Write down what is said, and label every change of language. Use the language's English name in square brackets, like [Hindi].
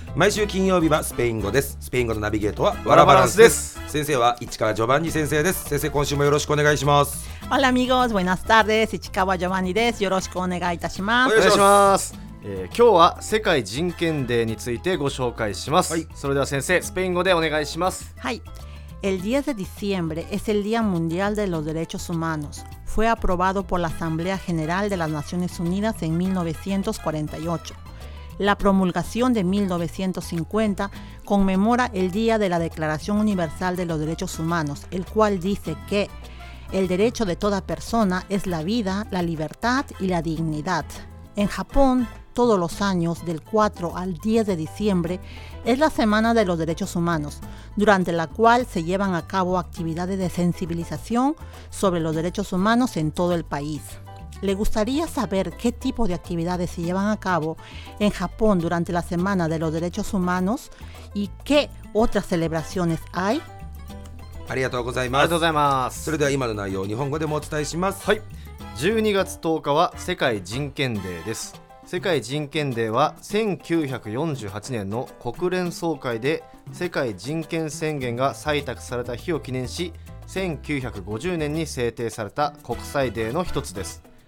[Japanese] 毎週金曜日はスペイン語です。スペイン語のナビゲートはワラバランスです。先生は市川ジョバンニ先生です。先生、今週もよろしくお願いします。ホラミゴーズ、ブイナスターです。市川ジョバンニです。よろしくお願いいたします。お願いします。今日は世界人権デーについてご紹介します。はい、それでは先生、スペイン語でお願いします。はい。 [Spanish] El 10 de diciembre es el Día Mundial de los Derechos Humanos. Fue aprobado por la Asamblea General de las Naciones Unidas en 1948. La promulgación de 1950 conmemora el Día de la Declaración Universal de los Derechos Humanos, el cual dice que el derecho de toda persona es la vida, la libertad y la dignidad. En Japón, todos los años, del 4 al 10 de diciembre, es la Semana de los Derechos Humanos, durante la cual se llevan a cabo actividades de sensibilización sobre los derechos humanos en todo el país. ¿Le gustaría saber qué tipo de actividades se llevan a cabo en Japón durante la Semana de los Derechos Humanos y qué otras celebraciones hay? [Japanese] ありがとうございます。ありがとうございます。それでは今の内容を日本語でもお伝えします。はい。 12月10日は世界人権デーです。世界人権デーは1948年の国連総会で世界人権宣言が採択された日を記念し、1950年に制定された国際デーの一つです。